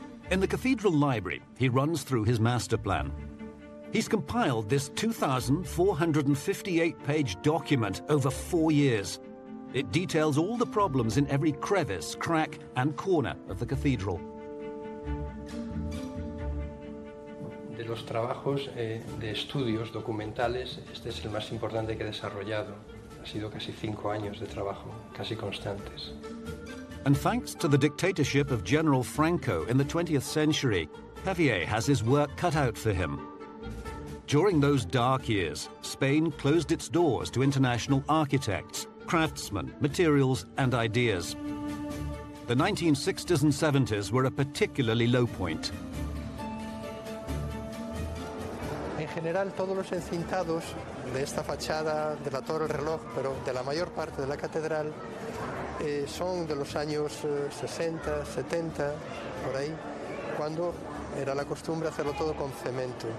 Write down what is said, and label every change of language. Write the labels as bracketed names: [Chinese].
[English] In the cathedral library, he runs through his master plan. He's compiled this 2,458-page document over 4 years. It details all the problems in every crevice, crack, and corner of the cathedral. [Spanish] De los trabajos de estudios documentales, este es el más importante que he desarrollado. Ha sido casi 5 años de trabajo, casi constantes. [English] And thanks to the dictatorship of General Franco in the 20th century, Javier has his work cut out for him. During those dark years, Spain closed its doors to international architects, craftsmen, materials, and ideas. The 1960s and 70s were a particularly low point. [Spanish] En general, todos los encintados de esta fachada, de la torre reloj, pero de la mayor parte de la catedral, son de los años 60, 70, por ahí, cuando era la costumbre hacerlo todo con cemento.